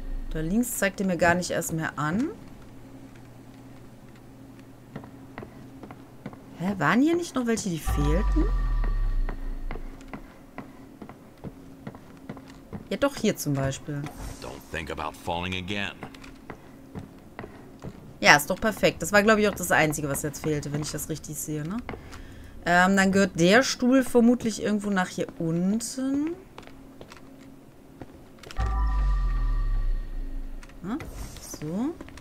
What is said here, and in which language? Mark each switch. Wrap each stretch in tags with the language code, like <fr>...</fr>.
<de>Da links zeigt er mir gar nicht erst mehr an. Hä? Waren hier nicht noch welche, die fehlten? Ja, doch, hier zum Beispiel.</de> <en>Don't think about falling again.</en> <de>Ja, ist doch perfekt. Das war, glaube ich, auch das Einzige, was jetzt fehlte, wenn ich das richtig sehe, ne? Dann gehört der Stuhl vermutlich irgendwo nach hier unten. Ja, so.</de>